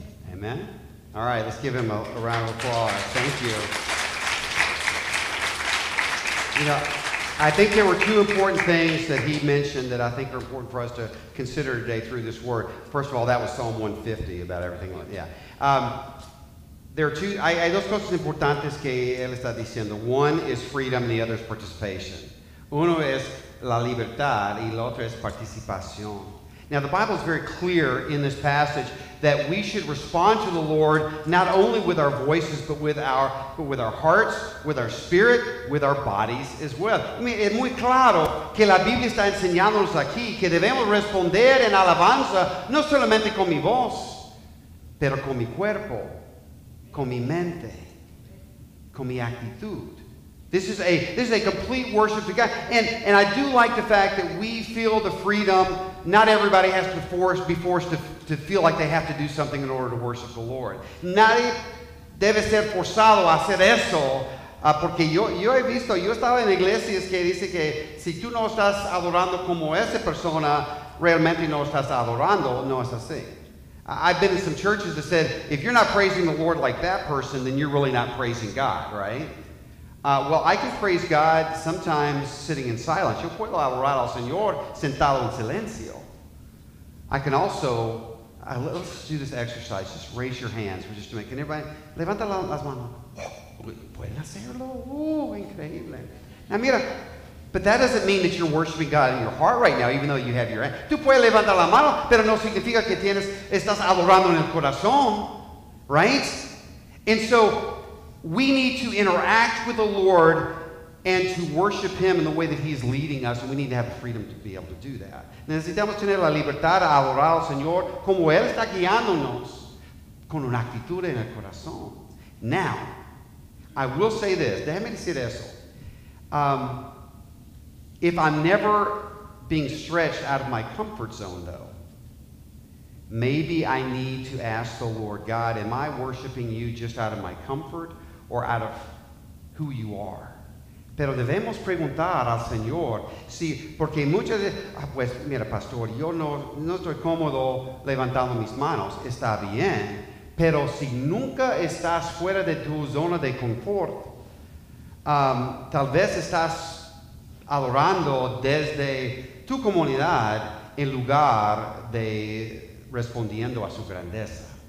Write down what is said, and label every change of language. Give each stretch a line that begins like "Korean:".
English: Amen. All right, let's give Him a round of applause. Thank you. You know, I think there were two important things that he mentioned that I think are important for us to consider today through this word. First of all, that was Psalm 150 about everything. Yeah. There are two.
Spanish: Hay dos cosas importantes que él está diciendo.
English: One is freedom, the other is participation.
Spanish: Uno es la libertad y el otro es participación.
English: Now, the Bible is very clear in this passage that we should respond to the Lord not only with our voices, but with our hearts, with our spirit, with our bodies as well. I mean,
Spanish: es muy claro que la Biblia está enseñándonos aquí que debemos responder en alabanza no solamente con mi voz, pero con mi cuerpo, con mi mente, con mi actitud.
English: This is a complete worship to God. And I do like the fact that we feel the freedom. Not everybody has to be forced to feel like they have to do something in order to worship the Lord.
Spanish: Nadie debe ser forzado a hacer eso. Porque yo he visto, yo estaba en iglesias que dice que si tú no estás adorando como esa persona, realmente no estás adorando. No es así.
English: I've been in some churches that said, if you're not praising the Lord like that person, then you're really not praising God, right? Well, I can praise God sometimes sitting in silence.
Spanish: Yo puedo adorar al Señor sentado en silencio.
English: I can also, let's do this exercise. Just raise your hands for just a minute. Can everybody,
Spanish: levanta las manos. ¿Pueden hacerlo? Increíble.
English: Now,
Spanish: mira,
English: but that doesn't mean that you're worshiping God in your heart right now, even though you have your hand.
Spanish: Tú puedes levantar la mano, pero no significa que estás adorando en el corazón,
English: right? And so, we need to interact with the Lord And to worship him in the way that he's leading us, we need to have the freedom to be able to do that.
Spanish: Necesitamos tener la libertad a adorar al Señor como él está guiándonos con una actitud en el corazón.
English: Now, I will say this.
Spanish: Déjame decir eso.
English: If I'm never being stretched out of my comfort zone, though, maybe I need to ask the Lord, God, am I worshiping you just out of my comfort or out of who you are?
Spanish: Pero debemos preguntar al Señor, si, porque muchas veces, pues mira, pastor, yo no estoy cómodo levantando mis manos, está bien, pero si nunca estás fuera de tu zona de confort, tal vez estás adorando desde tu comunidad en lugar de respondiendo a su grandeza.